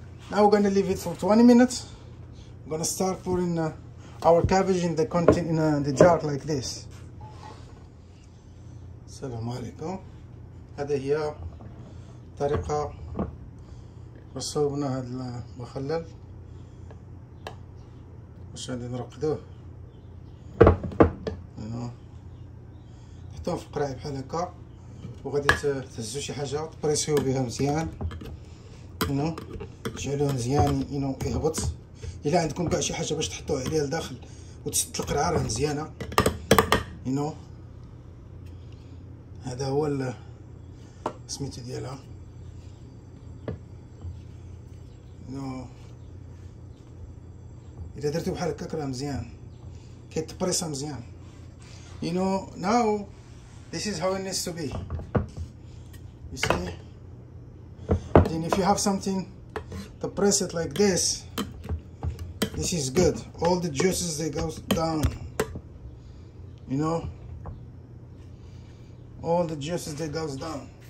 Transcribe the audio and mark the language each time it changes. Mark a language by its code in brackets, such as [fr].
[en] Now we're gonna leave it for 20 minutes. We're gonna start pouring our cabbage in the container, in the jar like this. [ar] Assalamu alaikum. هذا هي طريقة رصوبنا هذا المخلل. باش غادي نرقدوه. نحطوه في القرايب بحال هكا وغادي تهزو شي حاجة تبريسيو بها مزيان. تجعلوه مزيان يهبط. الا عندكم كاع شي حاجه باش تحطوه عليه لداخل وتسد القرعه مزيانه هذا هو سميتو ديالها. اذا درتو بحال هكا راه مزيان كيتبريسا مزيان. [en] Now this is how it needs to be. You see then if you have something to press it like this, this is good. All the juices they go down, all the juices they goes down.